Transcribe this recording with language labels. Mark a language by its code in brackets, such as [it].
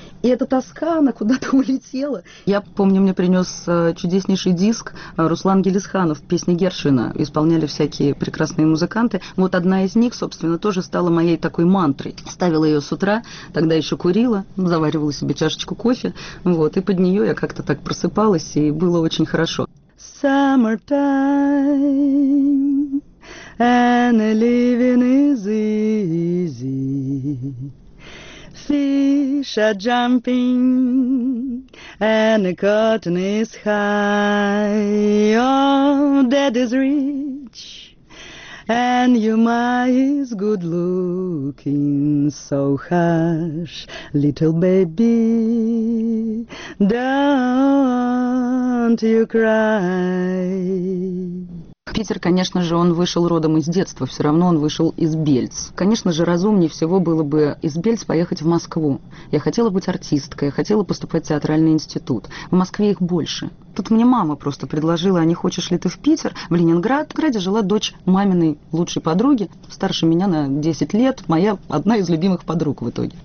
[ru] И эта тоска, она куда-то улетела. Я помню, мне принес чудеснейший диск Руслан Гелисханов, песни Гершвина. Исполняли всякие прекрасные музыканты. Вот одна из них, собственно, тоже стала моей такой мантрой. Ставила ее с утра, тогда еще курила, заваривала себе чашечку кофе. Вот, и под нее я как-то так просыпалась, и было очень хорошо. [en] Summertime, and living is easy. Fish are jumping and the cotton is high. Oh, dad is rich and your ma is good looking. So hush, little baby, don't you cry. [ru] Питер, конечно же, он вышел родом из детства, все равно он вышел из Бельц. Конечно же, разумнее всего было бы из Бельц поехать в Москву. Я хотела быть артисткой, я хотела поступать в театральный институт. В Москве их больше. Тут мне мама просто предложила, а не хочешь ли ты в Питер, в Ленинград. В Ленинграде жила дочь маминой лучшей подруги, старше меня на 10 лет, моя одна из любимых подруг в итоге.